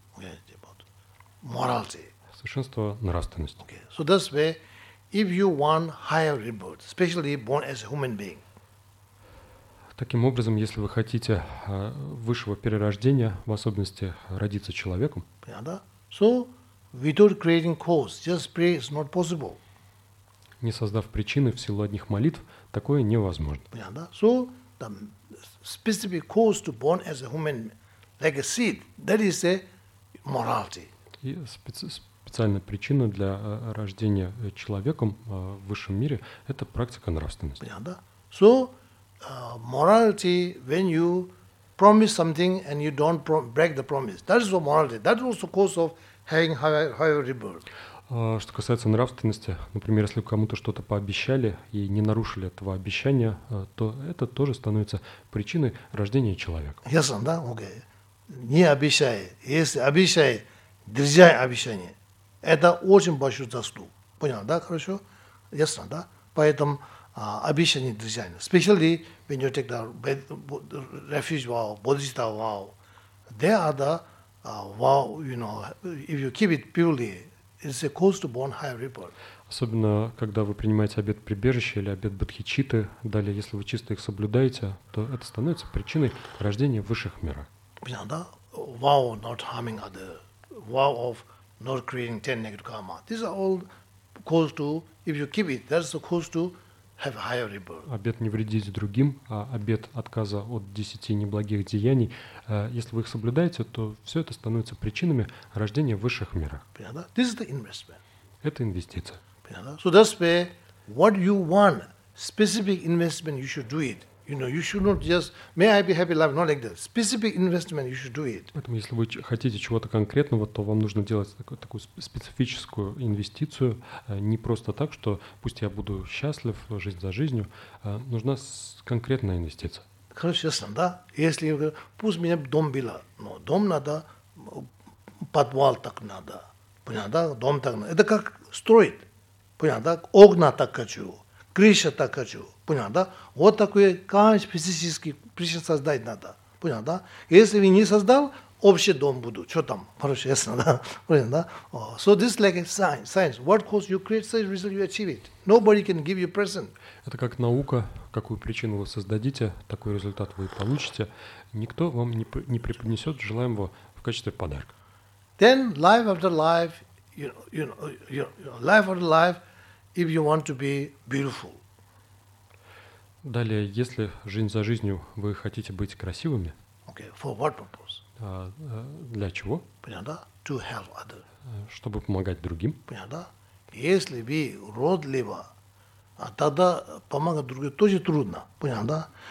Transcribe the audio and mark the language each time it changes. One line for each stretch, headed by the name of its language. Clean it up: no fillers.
English: Okay, about morality.
Russian: Совершенство нравственности.
English: Okay. So that's where, if you want higher rebirth, especially born as a human being.
Russian: Таким образом, если вы хотите высшего перерождения, в особенности родиться человеком,
English: so, without creating cause, just pray is not possible.
Russian: Не создав причины в силу одних молитв, такое невозможно.
English: So, the specific cause to born as a human, like a seed, that is a morality.
Russian: И специальная причина для рождения человеком в высшем мире – это практика нравственности.
English: So, morality when you promise something and you don't break the promise. That is the morality. That is also cause of having higher rebirth.
Russian: Что касается нравственности, например, если вы кому-то что-то пообещали и не нарушили этого обещания, то это тоже становится причиной рождения человека. Ясно, да? Окей. Не обещай. Если обещай, держай обещание. Это очень большой заслуг. Понял, да? Хорошо? Ясно, да? Поэтому обещание держай.
English: Especially when you take the refuge vow, bodhisattva vow, they are the vow, you know, if you keep it purely, it's a cause to born higher rebirth.
Russian: Особенно, когда вы принимаете обет прибежища или обет бодхичитты, далее, если вы чисто их соблюдаете, то это становится причиной рождения высших миров. Понятно, да?
English: Vow not harming other, vow of not creating 10 negative karma. These are all cause to, if you keep it, that's the cause to have higher rebirth.
Russian: Обет не вредить другим, а обет отказа от 10 неблагих деяний, если вы их соблюдаете, то все это становится причинами рождения в высших мирах. Понятно?
English: This is the investment.
Russian: Это инвестиция. Понятно?
English: So that's where what you want, specific investment, you should do it. You know, you should not just, may I be happy life, not like that. Specific investment, you should do it.
Russian: Поэтому, если вы хотите чего-то конкретного, то вам нужно делать такую специфическую инвестицию, не просто так, что пусть я буду счастлив, жизнь за жизнью, нужна конкретная инвестиция. Хорошо, ясно, да? Если я говорю, пусть меня дом было, но дом надо, подвал так надо, понятно, да? Дом так надо. Это как строить, понятно, да? Окна так хочу, крыша так хочу. Понял, да? Вот такой каждый физический причин создать надо. Понял, да? Если вы не создал, общий дом буду. Что там? Хорошо, ясно, да? Понял, да?
English: So this is like a science. Science. What cause you create, such result you achieve it. Nobody can give you present.
Russian: Это как наука. Какую причину вы создадите, такой результат вы получите. Никто вам не преподнесет желаемого в качестве подарка.
English: Then life after life, life after life, if you want to be beautiful.
Russian: Далее, если жизнь за жизнью вы хотите быть красивыми,
English: okay, for what purpose?
Russian: Для чего? Понятно, да?
English: To help others.
Russian: Чтобы помогать другим. Понятно, да? Если вы родливы, тогда помогать другим тоже трудно. Понятно, да?